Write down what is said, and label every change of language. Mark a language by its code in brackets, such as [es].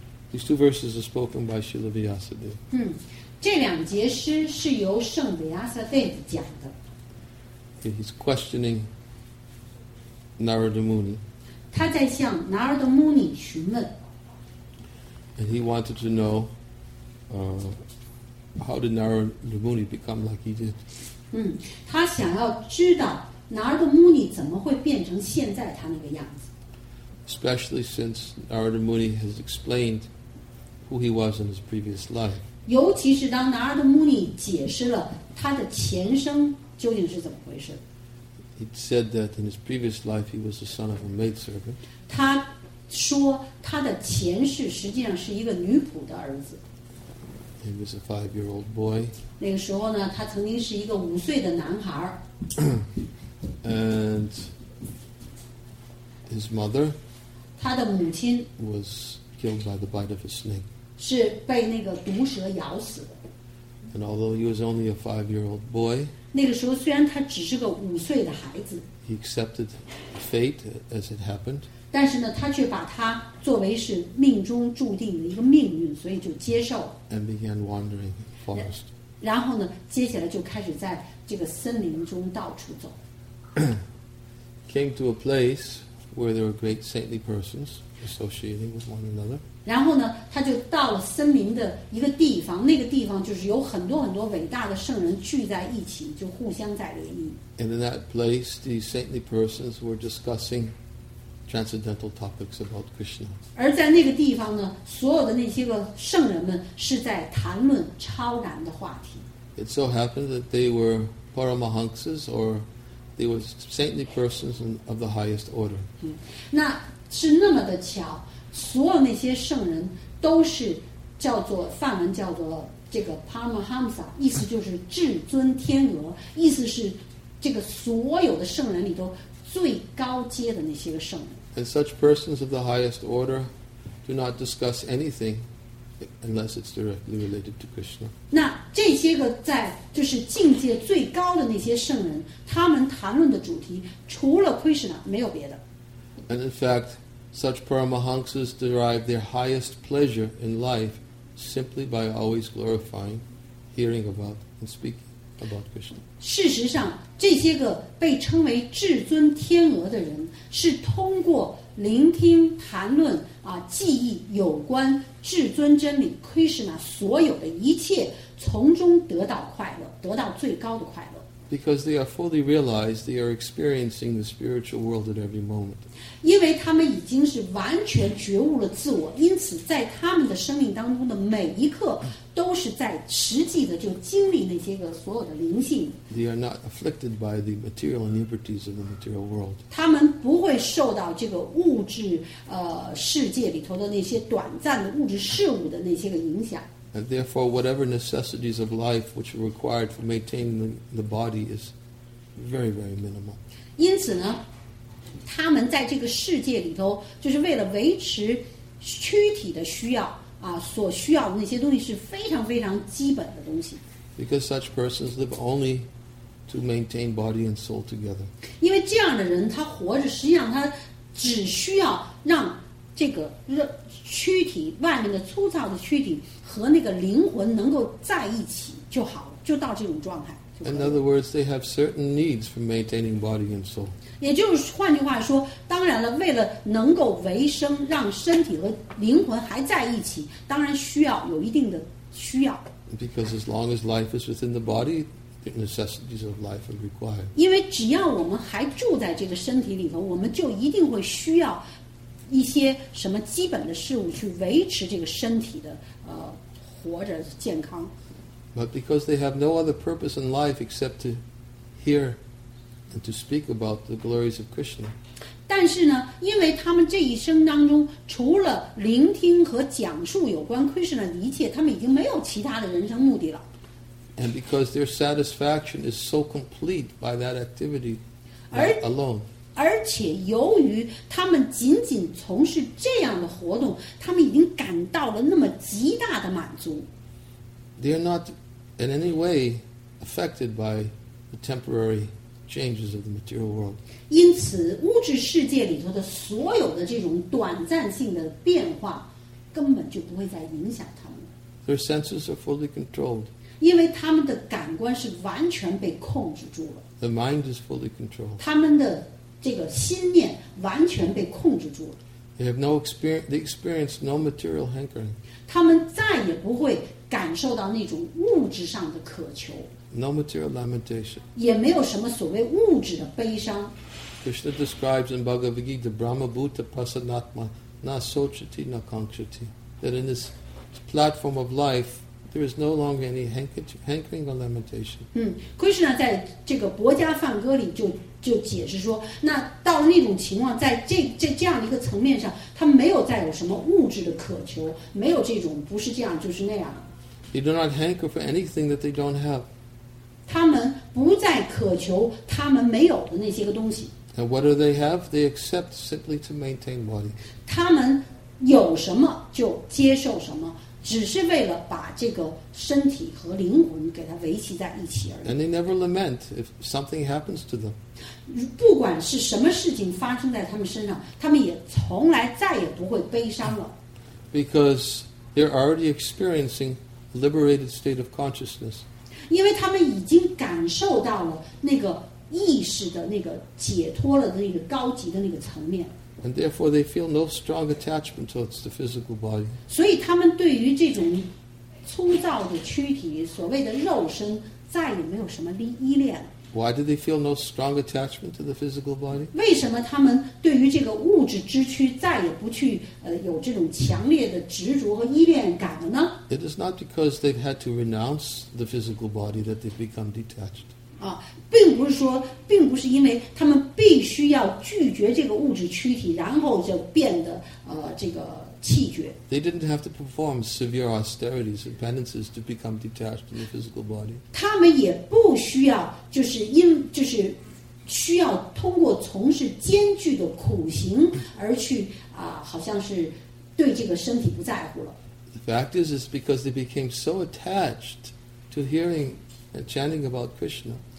[en] These two verses are spoken by Srila Vyasadeva. [zh] 这两节诗是由圣维亚萨德讲的。 [en] Okay, he's questioning Narada Muni. [zh] 他在向 Narada Muni 询问。 [en] And he wanted to know, how did Narada Muni become like he did? [zh] 他想要知道 Narada Muni 怎么会变成现在他那个样子。 [en] Especially since Narada Muni has explained who he was in his previous life. [zh] 尤其是当 Narada Muni 解释了他的前生究竟是怎么回事。 [en] He said that in his previous life he was the son of a maid servant. [zh] 他说他的前世实际上是一个女仆的儿子。 [en] He was a 5-year-old boy. [zh] 那个时候呢，他曾经是一个五岁的男孩。 [en] And his mother. [zh] 他的母亲 [en] was killed by the bite of a snake. [zh] 是被那个毒蛇咬死的。 [en] And although he was only a 5-year-old boy. [zh] 那个时候虽然他只是个五岁的孩子。 [en] He accepted fate as it happened. [zh] 但是呢，他却把他作为是命中注定的一个命运，所以就接受。 [en] And began wandering the forest. [zh] 然后呢，接下来就开始在这个森林中到处走。 [en] Came to a place where there were great saintly persons associating with one another. [zh] 然后呢，他就到了森林的一个地方，那个地方就是有很多很多伟大的圣人聚在一起，就互相在联谊。 [en] And in that place, the saintly persons were discussing transcendental topics about Krishna. [zh] 而在那个地方呢，所有的那些个圣人们是在谈论超然的话题。 [en] It so happened that they were paramahansas, or they were saintly persons of the highest order. [zh] 那是那么的巧，所有那些圣人都是叫做梵文叫做这个 paramahansa， 意思就是至尊天鹅，意思是这个所有的圣人里头最高阶的那些个圣人。 [en] And such persons of the highest order do not discuss anything unless it's directly related to Krishna. [zh] 那这些个在就是境界最高的那些圣人，他们谈论的主题除了 Krishna 没有别的。 [en] And in fact, such paramahansas derive their highest pleasure in life simply by always glorifying, hearing about, and speaking about Krishna. [zh] 事实上，这些个被称为至尊天鹅的人，是通过聆听、谈论啊、记忆有关至尊真理 Krishna 所有的一切，从中得到快乐，得到最高的快乐。 [en] Because they are fully realized, they are experiencing the spiritual world at every moment. [zh] 因为他们已经是完全觉悟了自我，因此在他们的生命当中的每一刻都是在实际的就经历那些个所有的灵性。 [en] They are not afflicted by the material inequities of the material world. [zh] 他们不会受到这个物质世界里头的那些短暂的物质事物的那些个影响。 [en] And therefore, whatever necessities of life which are required for maintaining the body is very, very minimal. [zh] 因此呢，他们在这个世界里头，就是为了维持躯体的需要啊，所需要的那些东西是非常非常基本的东西。 [en] Because such persons live only to maintain body and soul together. [zh] 因为这样的人，他活着，实际上他只需要让这个躯体外面的粗糙的躯体和那个灵魂能够在一起就好了，就到这种状态。 [en] In other words, they have certain needs for maintaining body and soul. [zh] 也就是换句话说，当然了，为了能够维生，让身体和灵魂还在一起，当然需要有一定的需要。 [en] Because as long as life is within the body, the necessities of life are required. [zh] 因为只要我们还住在这个身体里头，我们就一定会需要一些什么基本的事物去维持这个身体的活着健康。 [en] But because they have no other purpose in life except to hear and to speak about the glories of Krishna. [zh] 但是呢，因为他们这一生当中除了聆听和讲述有关 Krishna 的一切，他们已经没有其他的人生目的了。 [en] And because their satisfaction is so complete by that activity alone. [zh] 而且由于他们仅仅从事这样的活动，他们已经感到了那么极大的满足。 [en] They are not in any way affected by the temporary changes of the material world. [zh] 因此，物质世界里头的所有的这种短暂性的变化，根本就不会再影响他们。 [en] Their senses are fully controlled. [zh] 因为他们的感官是完全被控制住了。 [en] The mind is fully controlled. [zh] 他们的这个心念完全被控制住了。 [en] They have no experience. They experience no material hankering. [zh] 他们再也不会感受到那种物质上的渴求。 [en] No material lamentation. [zh] 也没有什么所谓物质的悲伤。 [en] Krishna describes in Bhagavad Gita, [sa] Brahma Bhuta Prasannatma Na Sochati Na Kankshati, [en] that in this platform of life, there is no longer any hankering or lamentation. [zh] Krishna 在这个薄伽梵歌里就解释说，那到那种情况，在这样的一个层面上，他没有再有什么物质的渴求，没有这种不是这样就是那样。 [en] They do not hanker for anything that they don't have. [zh] 他们不再渴求他们没有的那些个东西。 [en] And what do they have? They accept simply to maintain body. [zh] 他们有什么就接受什么，只是为了把这个身体和灵魂给它维系在一起而已。 [en] And they never lament if something happens to them. [zh] 不管是什么事情发生在他们身上，他们也从来再也不会悲伤了。 [en] Because they're already experiencing a liberated state of consciousness. [zh] 因为他们已经感受到了那个意识的那个解脱了的那个高级的那个层面。 [en] And therefore, they feel no strong attachment towards the physical body. [zh] 所以他们对于这种粗糙的躯体，所谓的肉身，再也没有什么依恋了。 [en] Why do they feel no strong attachment to the physical body? [zh] 为什么他们对于这个物质之躯再也不去有这种强烈的执着和依恋感了呢？ [en] It is not because they've had to renounce the physical body that they've become detached. 啊。 [zh] 并不是因为他们必须要拒绝这个物质躯体，然后就变得这个弃绝。 [en] They didn't have to perform severe austerities and penances to become detached from the physical body. [zh] 他们也不需要，就是需要通过从事艰巨的苦行而去好像是对这个身体不在乎了。 [en] The fact is, it's because they became so attached to hearing and chanting about Krishna.